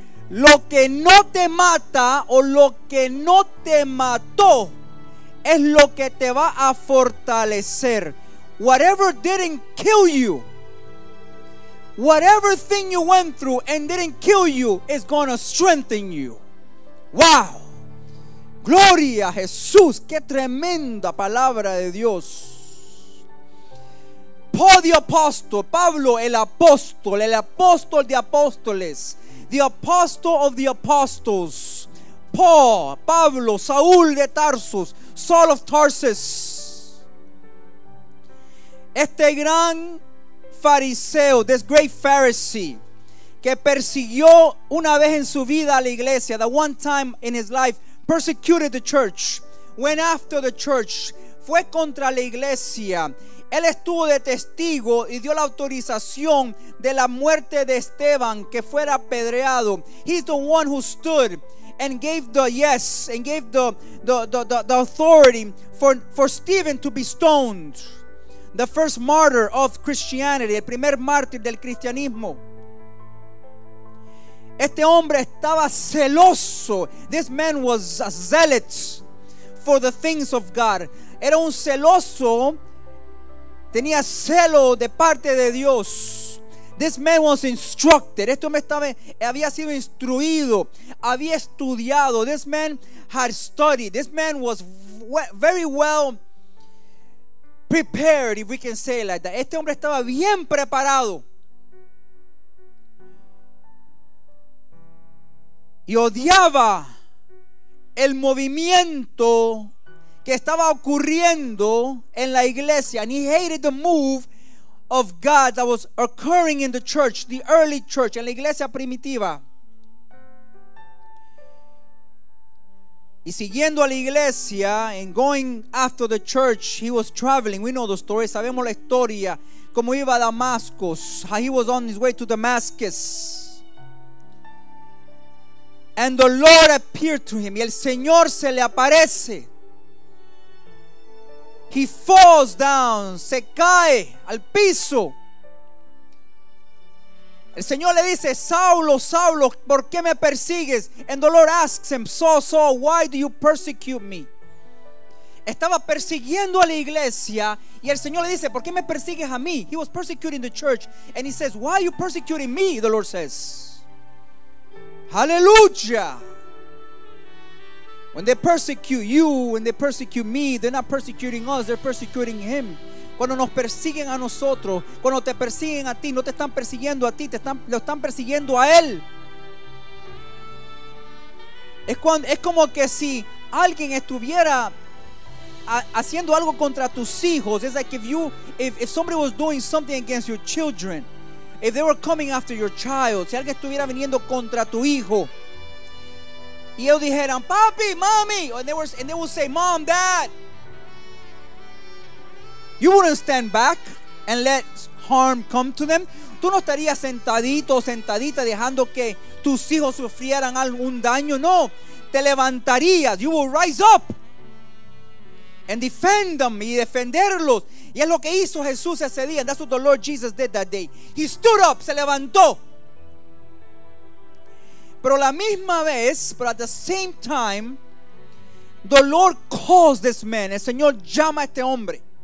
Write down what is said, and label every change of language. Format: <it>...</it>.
<es>Lo que no te mata, o lo que no te mató, es lo que te va a fortalecer.</es> <en>Whatever didn't kill you, whatever thing you went through and didn't kill you, is gonna strengthen you.</en> <es>Wow. Gloria a Jesús. Qué tremenda palabra de Dios.</es> <en>Paul the Apostle,</en> <es>Pablo el apóstol de apóstoles,</es> <en>the apostle of the apostles, Paul, Pablo, Saúl de Tarsus, Saul of Tarsus,</en> <es>este gran fariseo,</es> <en>this great Pharisee,</en> <es>que persiguió una vez en su vida a la iglesia,</es> <en>the one time in his life persecuted the church,</en> <es>went after the church, fue contra la iglesia. Él estuvo de testigo y dio la autorización de la muerte de Esteban, que fuera apedreado.</es> <en>He's the one who stood and gave the yes and gave the authority for Stephen to be stoned, the first martyr of Christianity,</en> <es>el primer mártir del cristianismo. Este hombre estaba celoso.</es> <en>This man was a zealot for the things of God.</en> <es>Era un celoso, tenía celo de parte de Dios.</es> <en>This man was instructed.</en> <es>Este hombre había sido instruido, había estudiado.</es> <en>This man had studied. This man was very well prepared, if we can say it like that.</en> <es>Este hombre estaba bien preparado. Y odiaba el movimiento que estaba ocurriendo en la iglesia.</es> <en>And he hated the move of God that was occurring in the church, the early church,</en> <es>en la iglesia primitiva. Y siguiendo a la iglesia,</es> <en>and going after the church, he was traveling. We know the story.</en> <es>Sabemos la historia, cómo iba a Damasco,</es> <en>how he was on his way to Damascus. And the Lord appeared to him.</en> <es>Y el Señor se le aparece.</es> <en>He falls down,</en> <es>se cae al piso. El Señor le dice, Saulo, Saulo, ¿por qué me persigues?</es> <en>And the Lord asks him, Saul, Saul, why do you persecute me?</en> <es>Estaba persiguiendo a la iglesia y el Señor le dice, ¿por qué me persigues a mí?</es> <en>He was persecuting the church. And he says, why are you persecuting me? The Lord says, hallelujah. When they persecute you, when they persecute me, they're not persecuting us, they're persecuting him.</en> <es>Cuando nos persiguen a nosotros, cuando te persiguen a ti, no te están persiguiendo a ti, lo están persiguiendo a él. Es como que si alguien estuviera haciendo algo contra tus hijos.</es> <en>It's like if somebody was doing something against your children, if they were coming after your child,</en> <es>si alguien estuviera viniendo contra tu hijo. Y ellos dijeran, papi, mami.</es> <en>And they would say, mom, dad. You wouldn't stand back and let harm come to them.</en> <es>Tú no estarías sentadito o sentadita dejando que tus hijos sufrieran algún daño. No, te levantarías.</es> <en>You will rise up and defend them,</en> <es>y defenderlos. Y es lo que hizo Jesús ese día.</es> <en>And that's what the Lord Jesus did that day. He stood up,</en> <es>se levantó. Pero la misma vez,</es> <en>but at the same time, the Lord calls this man.</en> <es>El Señor llama a este hombre.</es>